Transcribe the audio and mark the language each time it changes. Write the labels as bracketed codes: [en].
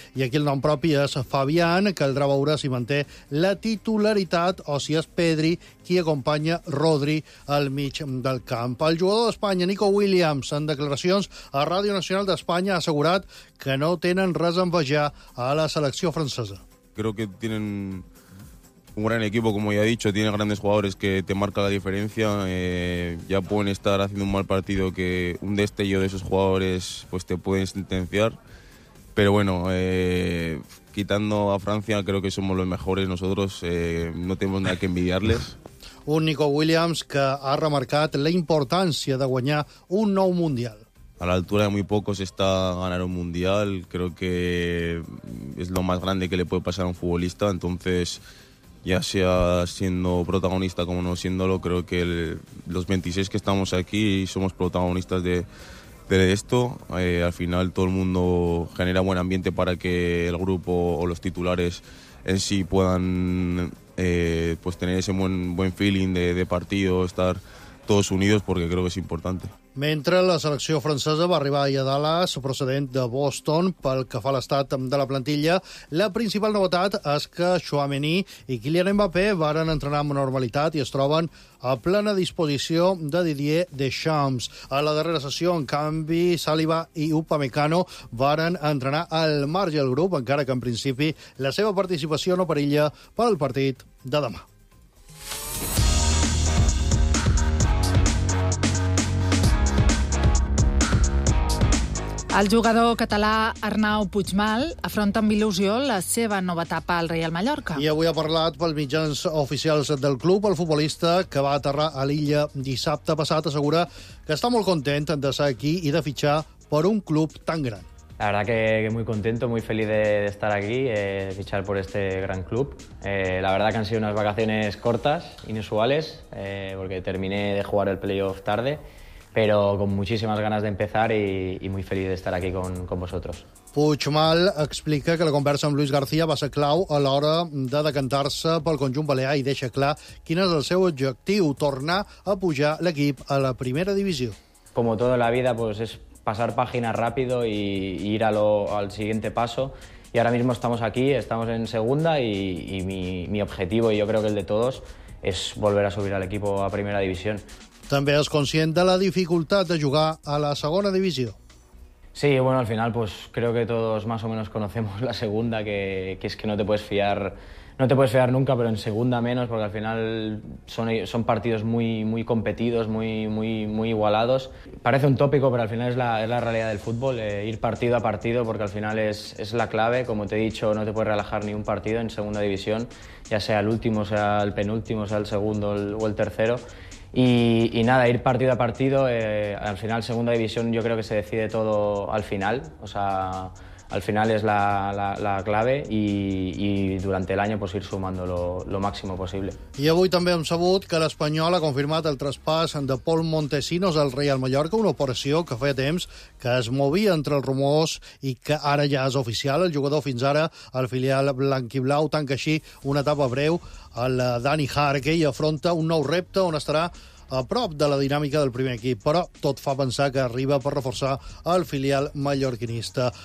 [ca] I aquí el nom propi és Fabià. Caldrà veure si manté la titularitat o si és Pedri qui acompanya Rodri al mig del camp. El jugador d'Espanya, Nico Williams, en declaracions a Ràdio Nacional d'Espanya, ha assegurat que no tenen res a envejar a la selecció francesa. [es] Creo que tienen un gran equipo, como ya he dicho, tienen grandes jugadores que te marcan la diferencia. Ya pueden estar haciendo un mal partido que un destello de esos jugadores pues te pueden sentenciar. Pero bueno, quitando a Francia, creo que somos los mejores nosotros, no tenemos nada que envidiarles. [ca] Un Nico Williams que ha remarcat la importància de guanyar un nou Mundial. [es] A la altura de muy pocos está ganar un Mundial, creo que es lo más grande que le puede pasar a un futbolista, entonces ya sea siendo protagonista como no siéndolo, creo que los 26 que estamos aquí somos protagonistas de esto. Al final todo el mundo genera buen ambiente para que el grupo o los titulares en sí puedan pues tener ese buen feeling de partido, estar todos unidos, porque creo que es importante. [ca] Mentre la selecció francesa va arribar a Dallas, procedent de Boston, pel que fa a l'estat de la plantilla, la principal novetat és que Tchouaméni i Kylian Mbappé varen entrenar amb normalitat i es troben a plena disposició de Didier Deschamps. A la darrera sessió, en canvi, Saliba i Upamecano varen entrenar al marge del grup, encara que en principi la seva participació no perilla per al partit de demà. El jugador català Arnau Puigmal afronta amb il·lusió la seva nova etapa al Real Mallorca. I avui ha parlat pels mitjans oficials del club. El futbolista, que va aterrar a l'illa dissabte passat, assegura que està molt content de ser aquí i de fitxar per un club tan gran. [es] La verdad que muy contento, muy feliz de estar aquí, de fichar por este gran club. La verdad que han sido unas vacaciones cortas, inusuales, porque terminé de jugar el playoff tarde, pero con muchísimas ganas de empezar y muy feliz de estar aquí con vosotros. [ca] Puigmal explica que la conversa amb Luis García va ser clau a l'hora de decantar-se pel conjunt balear i deixa clar quin és el seu objectiu, tornar a pujar l'equip a la primera divisió. [es] Como todo en la vida, pues es pasar página rápido y ir al siguiente paso. Y ahora mismo estamos aquí, estamos en segunda y mi objetivo, y yo creo que el de todos, es volver a subir al equipo a primera división. [ca] També és conscient de la dificultat de jugar a la segona divisió. [es] Sí, bueno, al final pues creo que todos más o menos conocemos la segunda, que es que no te puedes fiar, no te puedes fiar nunca, pero en segunda menos, porque al final son partidos muy, muy competidos, muy, muy, muy igualados. Parece un tópico, pero al final es la realidad del fútbol, ir partido a partido, porque al final es la clave. Como te he dicho, no te puedes relajar ni un partido en segunda división, ya sea el último, sea el penúltimo, sea el segundo o el tercero. Y nada, ir partido a partido, al final segunda división yo creo que se decide todo al final, o sea, al final es la clave y durante el año pues ir sumando lo máximo possible. [ca] I avui també hem sabut que l'Espanyol ha confirmat el traspàs de Pol Montesinos al Real Mallorca, una operació que feia temps que es movia entre els rumors i que ara ja és oficial. El jugador fins ara, el filial blanquiblau, tanca així una etapa breu al Dani Harke i afronta un nou repte on estarà a prop de la dinàmica del primer equip, però tot fa pensar que arriba per reforçar el filial mallorquinista.